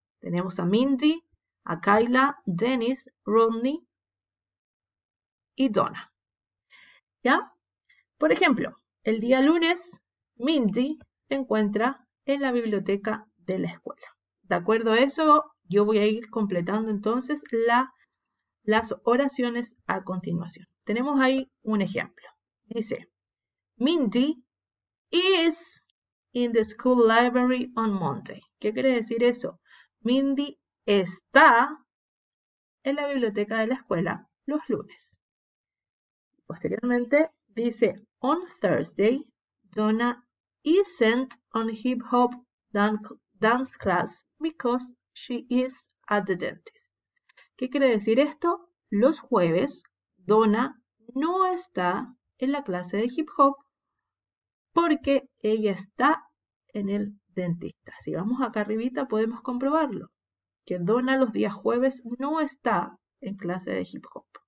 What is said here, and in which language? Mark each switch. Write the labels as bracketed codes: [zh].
[es] Tenemos a Mindy, a Kyla, Dennis, Rodney y Donna. ¿Ya? Por ejemplo, el día lunes, Mindy se encuentra en la biblioteca de la escuela. De acuerdo a eso, yo voy a ir completando entonces las oraciones a continuación. Tenemos ahí un ejemplo. [en] Dice, Mindy is in the school library on Monday. [es] ¿Qué quiere decir eso? Mindy está en la biblioteca de la escuela los lunes. Posteriormente, dice, [en] on Thursday, Donna isn't on hip hop dance class. Because she is at the dentist. [es] ¿Qué quiere decir esto? Los jueves, Donna no está en la clase de hip hop porque ella está en el dentista. Si vamos acá arribita podemos comprobarlo, que Donna los días jueves no está en clase de hip hop.